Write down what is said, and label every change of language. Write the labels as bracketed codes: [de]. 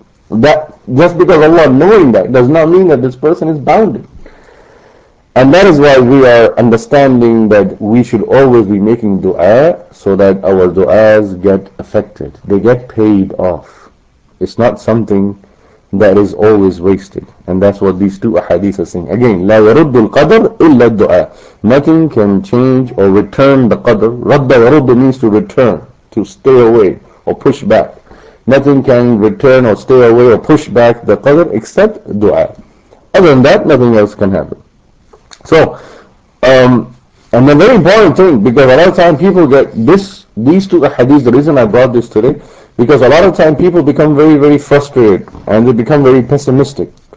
[en] That just because Allah knowing that does not mean that this person is bounded. And that is why we are understanding that we should always be making dua so that our duas get affected. They get paid off. It's not something that is always wasted. And that's what these two ahadiths are saying. Again, [ar] لا يرد القدر إلا الدعاء. [en] Nothing can change or return the qadr. [ar] رد يرد [en] means to return, to stay away or push back. Nothing can return or stay away or push back the qadr except dua. Other than that, nothing else can happen. So, and the very important thing, because a lot of time people get these two hadiths, the reason I brought this today, because a lot of time people become very, very frustrated and they become very pessimistic.